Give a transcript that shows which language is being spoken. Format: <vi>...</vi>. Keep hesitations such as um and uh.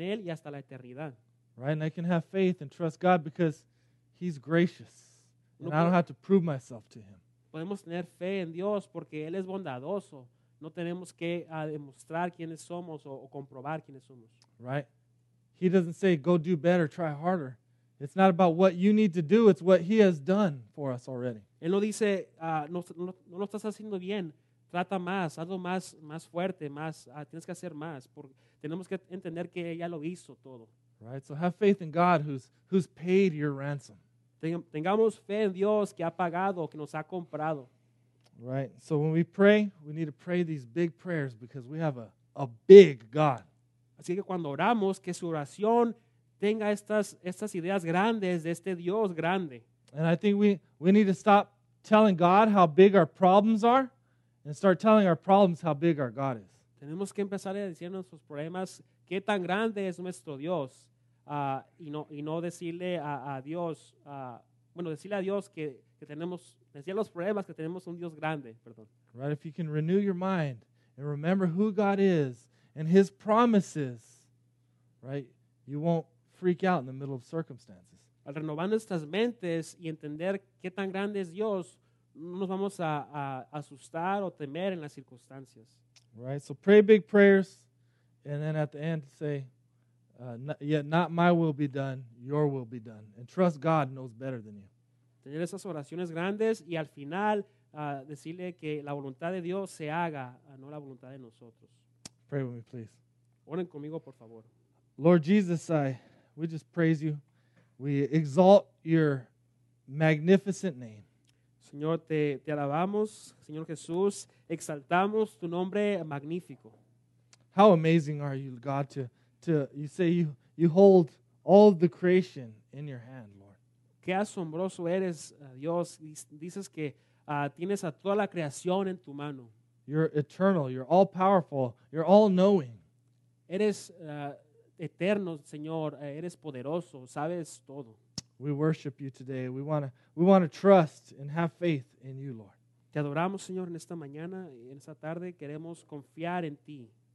<en>Right, and I can have faith and trust God because He's gracious, and Uno I don't have to prove myself to Him.</en> <es>Podemos tener fe en Dios porque él es bondadoso. No tenemos que uh, demostrar quiénes somos o, o comprobar quiénes somos.</es> <en>Right, He doesn't say go do better, try harder. It's not about what you need to do, it's what he has done for us already.</en> <es>Él lo dice, no, no, no lo estás haciendo bien, trata más, hazlo más, más fuerte, más, tienes que hacer más, porque tenemos que entender que ya lo hizo todo.</es> <en>Right, so have faith in God who's, who's paid your ransom. Right, so when we pray, we need to pray these big prayers because we have a, a big God.</en> <es>Así que cuando oramos, que su oración... Estas, estas</es> <en>and I think we, we need to stop telling God how big our problems are and start telling our problems how big our God is.</en> <es>Tenemos que empezar a nuestros problemas qué tan grande es nuestro Dios uh, y, no, y no decirle a, a Dios, uh, bueno, decirle a Dios que, que tenemos, decir los problemas que tenemos un Dios grande, Perdón.</es> <en>Right, if you can renew your mind and remember who God is and His promises, right, you won't freak out in the middle of circumstances.</en> <es>Al renovar nuestras mentes y entender qué tan grande es Dios, no nos vamos a, a asustar o temer en las circunstancias.</es> <en>Right, so pray big prayers and then at the end say, uh, yet not my will be done, your will be done. And trust God knows better than you.</en> <es>Tener esas oraciones grandes y al final uh, decirle que la voluntad de Dios se haga, no la voluntad de nosotros.</es> <en>Pray with me, please.</en> <es>Oren conmigo, por favor.</es> <en>Lord Jesus, I... We just praise you. We exalt your magnificent name.</en> <es>Señor, te, te alabamos. Señor Jesús, exaltamos tu nombre magnífico.</es> <en>How amazing are you, God, to, to you say you, you hold all the creation in your hand, Lord.</en> <es>Qué asombroso eres, uh, Dios. Dices que uh, tienes a toda la creación en tu mano.</es> <en>You're eternal. You're all powerful. You're all knowing.</en> <es>Eres. Uh, eterno, Señor, eres poderoso, sabes todo.</es> <en>We worship you today. We want to we want to trust and have faith in you, Lord.</en> <es>Te adoramos, Señor, en esta mañana y en esta tarde queremos confiar en ti.</es>